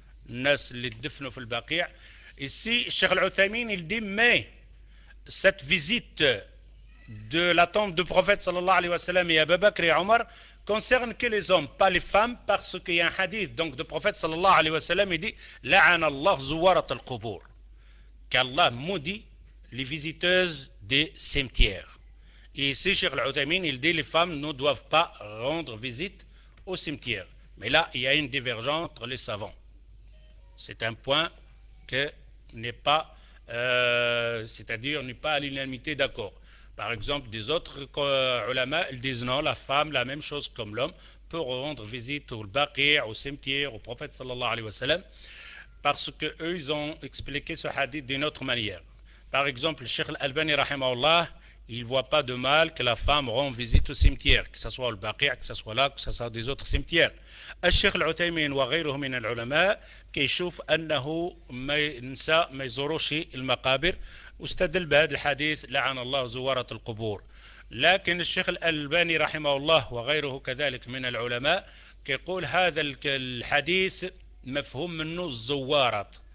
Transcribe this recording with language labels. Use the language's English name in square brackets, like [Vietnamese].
[Arabic] الناس اللي تدفنوا في البقيع [French] ici الشيخ العثيمين il dit mais cette visite de la tombe du prophète صلى الله عليه وسلم [Arabic] يا أبو بكر يا عمر [French] concerne que les hommes, pas les femmes, parce qu'il y a un hadith, donc le prophète sallallahu alayhi wa sallam, il dit « [Arabic] La'ana Allah zuwarat al-qubur [French] » qu'Allah maudit les visiteuses des cimetières. Et ici, Cheikh Al-Uthaymin, il dit « Les femmes ne doivent pas rendre visite aux cimetières. » Mais là, il y a une divergence entre les savants. C'est un point que n'est pas c'est-à-dire n'est pas à l'unanimité d'accord. Par exemple, des autres ulama, ils disent non, la femme, la même chose comme l'homme, peut rendre visite au baqi', au cimetière, au prophète sallallahu alayhi wa sallam, parce qu'eux, ils ont expliqué ce hadith d'une autre manière. Par exemple, le Cheikh Al-Albani, rahimahullah, il ne voit pas de mal que la femme rend visite au cimetière, que ce soit au baqi', que ce soit là, que ce soit des autres cimetières. [Arabic] الشيخ العثيمين وغيره من العلماء كيشوف أنه ما ينسى ما يزوروش المقابر واستدل بهذا الحديث لعن الله زوارة القبور. لكن الشيخ الألباني رحمه الله وغيره كذلك من العلماء كيقول هذا الحديث مفهوم منه الزوارة.